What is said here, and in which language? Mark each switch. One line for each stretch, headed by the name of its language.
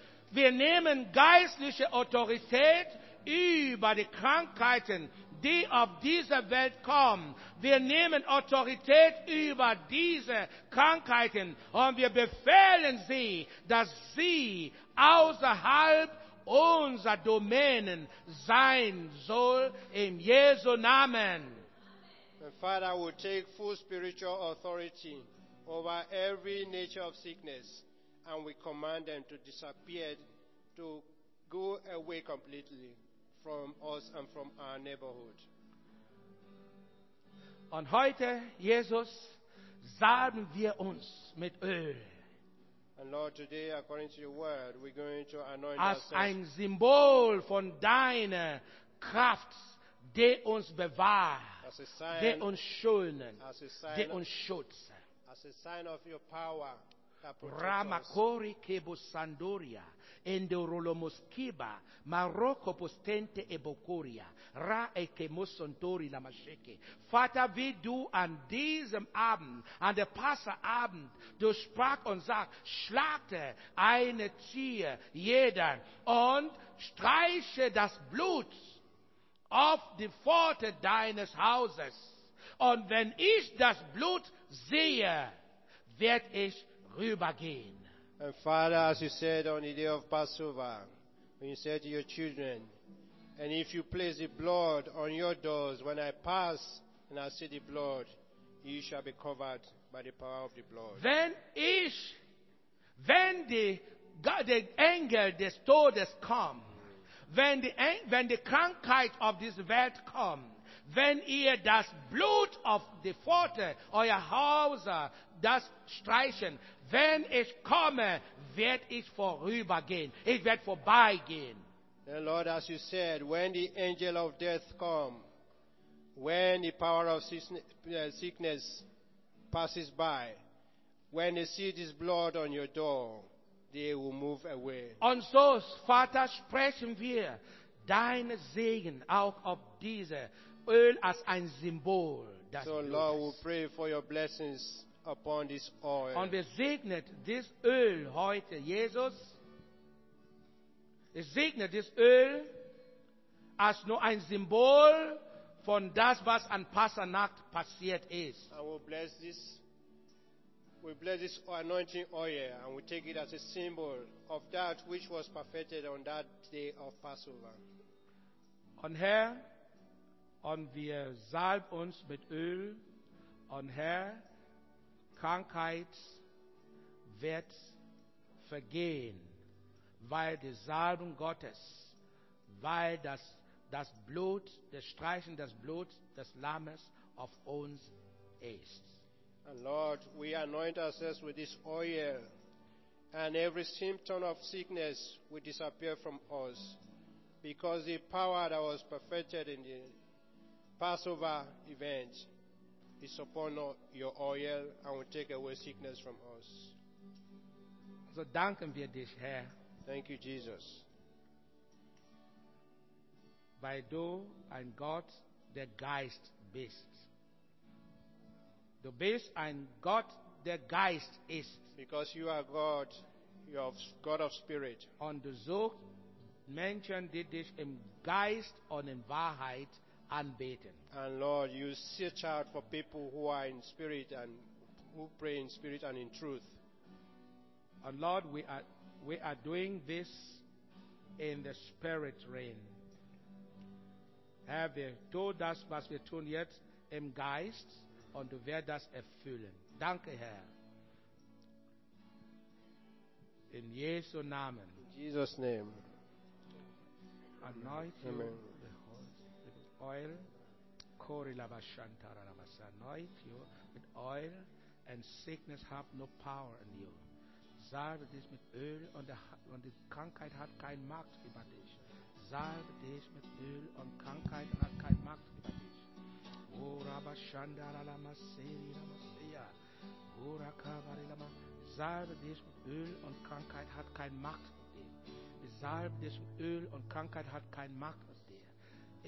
German: Wir nehmen geistliche Autorität über die Krankheiten, die auf dieser Welt kommen. Wir nehmen Autorität über diese Krankheiten und wir befehlen sie, dass sie außerhalb unserer Domänen sein soll, im Jesu Namen. Amen.
English: Father, we take full spiritual authority over every nature of sickness, and we command them to disappear, to go away completely from us and from our neighborhood.
German: Und heute, Jesus, salben wir uns mit Öl.
English: And Lord, today, according to your word, we're going to anoint ourselves.
German: Als ein Symbol von deiner Kraft, die uns bewahrt, die uns schönen, die uns schützt.
English: As a sign of your power that protects us. Ramakori kebo sandoria, endorolomos kiba, maroko postente ebokoria, ra eke mosontori la masheke.
German: Vater, wie du an diesem Abend, an der Passa-Abend, du sprach und sagst, schlachte eine Tier, jeder, und streiche das Blut auf die Pforte deines Hauses. Und wenn ich das Blut sehe, werd ich rübergehen.
English: And Father, as you said on the day of Passover, when you said to your children, and if you place the blood on your doors, when I pass and I see the blood, you shall be covered by the power of the blood. When the crankite of this world come,
German: when ihr das Blut
English: of the
German: Pforte, euer Hauser, das streichen, wenn ich komme, werd ich vorübergehen. Ich werd vorbeigehen.
English: And Lord, as you said, when the angel of death come, when the power of sickness passes by, when they see this blood on your door, they will move away.
German: Und so, Vater, sprechen wir deinen Segen auch auf diese Öl als ein Symbol.
English: So, Lord, we pray for your blessings upon this oil.
German: Und wir segnen dieses Öl heute, Jesus. Ich segne dieses Öl als nur ein Symbol von das, was an Passanacht passiert ist.
English: And we bless this anointing oil, and we take it as a symbol of that which was perfected on that day of Passover.
German: Und Herr, und wir salben uns mit Öl, und Herr, Krankheit wird vergehen, weil die Salbung Gottes, weil das Blut, das Streichen des Blut des Lammes auf uns ist.
English: And Lord, we anoint ourselves with this oil, and every symptom of sickness will disappear from us, because the power that was perfected in the Passover event is upon your oil and will take away sickness from us.
German: So danken wir dich, Herr.
English: Thank you, Jesus.
German: Weil du ein Gott der Geist bist. Du bist ein Gott der Geist ist.
English: Because you are God, you are God of Spirit.
German: Und du suchst Menschen, die dich im Geist und in Wahrheit anbeten.
English: And Lord, you search out for people who are in spirit and who pray in spirit and in truth. And Lord, we are doing this in the spirit realm.
German: Have wir tun das, was wir tun jetzt im Geist, und du wirst das erfüllen. Danke, Herr. In Jesu Namen.
English: In Jesus' name. Anoint you the with oil. Kori lavashantara lavasa. Anoint you with oil, and sickness have no power in you.
German: Salve dich mit Öl, und die Krankheit hat keine Macht über dich. Salve dich mit Öl, und Krankheit hat keine Macht über dich. O rabashantara lavaseri lavasea. O rakavari lavasea. Salve dich mit Öl, und Krankheit hat keine Macht. Salb dich mit Öl, und Krankheit hat keine Macht über dir.